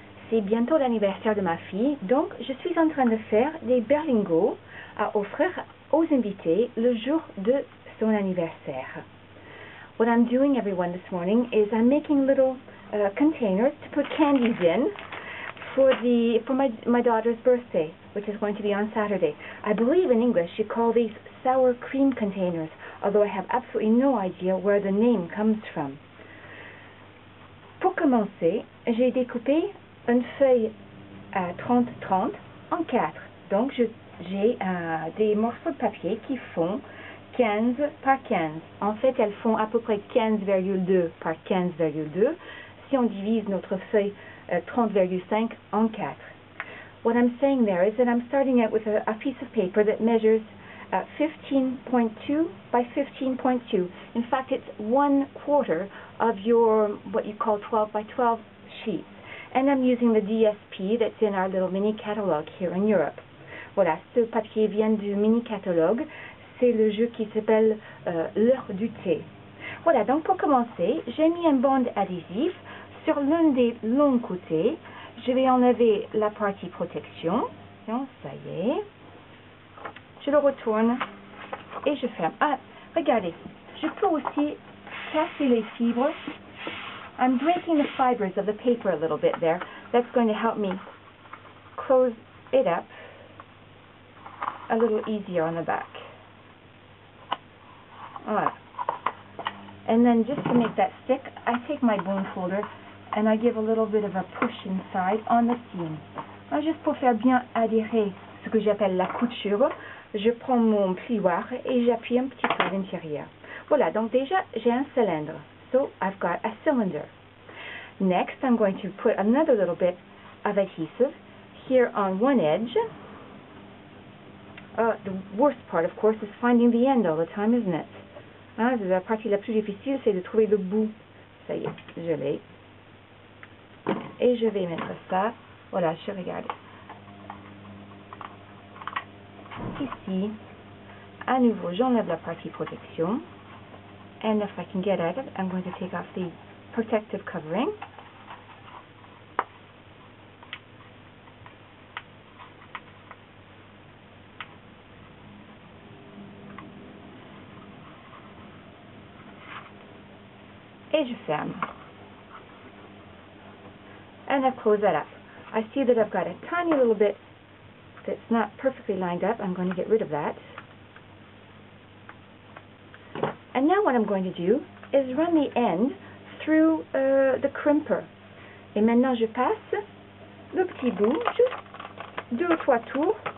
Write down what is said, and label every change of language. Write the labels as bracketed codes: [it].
[fr] C'est bientôt l'anniversaire de ma fille, donc je suis en train de faire des berlingots à offrir aux invités le jour de son anniversaire. [en] What I'm doing, everyone, this morning is I'm making little containers to put candies in for my daughter's birthday, which is going to be on Saturday. I believe in English you call these sour cream containers, although I have absolutely no idea where the name comes from. [fr] Pour commencer, j'ai découpé une feuille à 30-30 en 4. Donc, j'ai des morceaux de papier qui font 15 par 15. En fait, elles font à peu près 15,2 par 15,2 si on divise notre feuille 30,5 en 4. [en] What I'm saying there is that I'm starting out with a piece of paper that measures 15.2 by 15.2. In fact, it's one quarter of your what you call 12 by 12 sheets. And I'm using the DSP that's in our little mini catalogue here in Europe. [fr] Voilà, ce papier vient du mini catalogue. C'est le jeu qui s'appelle l'heure du thé. Voilà, donc pour commencer, j'ai mis un bande adhésif sur l'un des longs côtés. Je vais enlever la partie protection. Ça y est. Je le retourne et je ferme. Ah, regardez, je peux aussi casser les fibres. [en] I'm breaking the fibers of the paper a little bit there. That's going to help me close it up a little easier on the back. Voilà. And then just to make that stick, I take my bone folder and I give a little bit of a push inside on the seam. [fr] Alors juste pour faire bien adhérer ce que j'appelle la couture, je prends mon plioir et j'appuie un petit peu à l'intérieur. Voilà, donc déjà, j'ai un cylindre. [en] So, I've got a cylinder. Next, I'm going to put another little bit of adhesive here on one edge. The worst part, of course, is finding the end all the time, isn't it? [fr] La partie la plus difficile, c'est de trouver le bout. Ça y est, je l'ai. Et je vais mettre ça. Voilà, je regarde. Ici, à nouveau, j'enlève la partie protection. [en] And if I can get at it, I'm going to take off the protective covering. [fr] Et je ferme. [en] And I close that up. I see that I've got a tiny little bit that's not perfectly lined up. I'm going to get rid of that. And now what I'm going to do is run the end through the crimper. [fr] Et maintenant je passe le petit bout, juste deux ou trois tours.